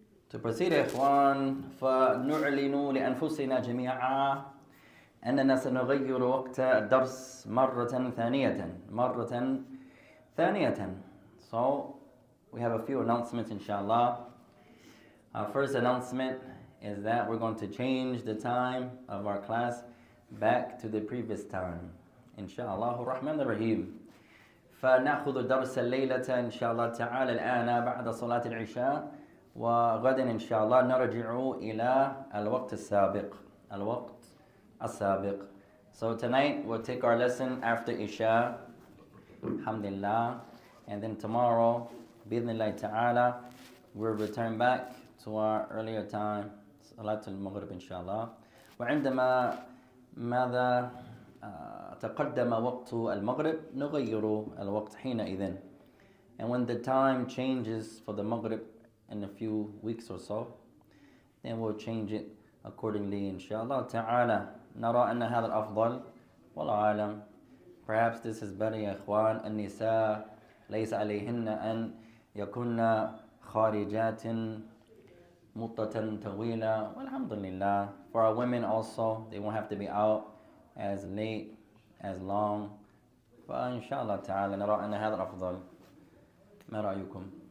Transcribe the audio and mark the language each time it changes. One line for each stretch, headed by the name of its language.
English: To proceed, ikhwan,
Arabic: فَنُعْلِنُوا لِأَنفُسِنَا جَمِيعًا أننا سنغير وقت الدرس مرة ثانية مرة ثانية
English: So, we have a few announcements, inshallah. Our first announcement is that we're going to change the time of our class back to the previous time.
Arabic: Inshallah, الرحمن الرحيم. فنأخذ الدرس الليلة إن شاء الله تعالى الآن بعد صلاة العشاء وغدا إن شاء الله نرجع إلى الوقت السابق الوقت السابق.
English: So tonight we'll take our lesson after Isha, Alhamdulillah, and then tomorrow,
Arabic: بإذن الله تعالى,
English: we'll return back to our earlier time,
Arabic: صلاة المغرب إن شاء الله. وعندما ماذا تقدم وقت المغرب نغير الوقت حينئذ.
English: And when the time changes for the Maghrib in a few weeks or so, then we'll change it accordingly,
Arabic: إن شاء الله تعالى. نرى أن هذا الأفضل والعالم
English: Perhaps this is better,
Arabic: يا إخوان النساء ليس عليهن أن يكون خارجات مدة طويلة والحمد لله
English: For our women also, they won't have to be out as late, as long
Arabic: فإن شاء الله تعالى نرى أن هذا الأفضل ما رأيكم?